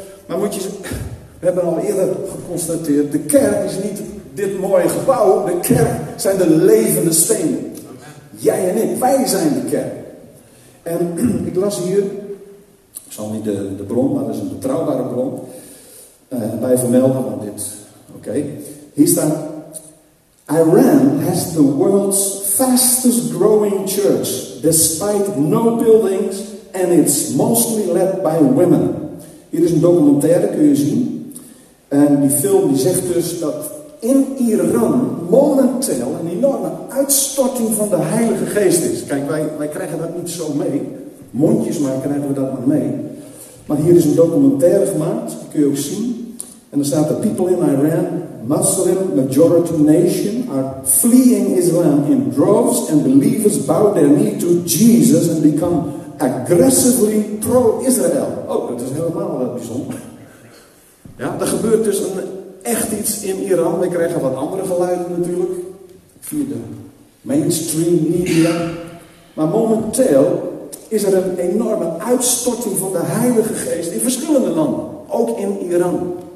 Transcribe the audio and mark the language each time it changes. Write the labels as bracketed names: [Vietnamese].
[Dutch] Maar moet je, we hebben al eerder geconstateerd, de kerk is niet dit mooie gebouw, de kerk zijn de levende stenen. Jij en ik, wij zijn de kerk. En ik las hier, ik zal niet de bron, maar dat is een betrouwbare bron, bij vermelden van dit. Okay. Hier staat, [English] Iran has the world's fastest growing church, despite no buildings, and it's mostly led by women. [Dutch] Hier is een documentaire, kun je zien. En die film die zegt dus dat in Iran momenteel een enorme uitstorting van de Heilige Geest is. Kijk, wij krijgen dat niet zo mee. Mondjes maar krijgen we dat maar mee. Maar hier is een documentaire gemaakt, die kun je ook zien. En dan staat, [English] the people in Iran, Muslim majority nation, are fleeing Islam in droves and believers bow their knee to Jesus and become aggressively pro-Israel. [Dutch] Oh, dat is helemaal bijzonder. Ja, er gebeurt dus echt iets in Iran. We krijgen wat andere geluiden natuurlijk, via de mainstream media. Maar momenteel is er een enorme uitstorting van de Heilige Geest in verschillende landen, ook in Iran.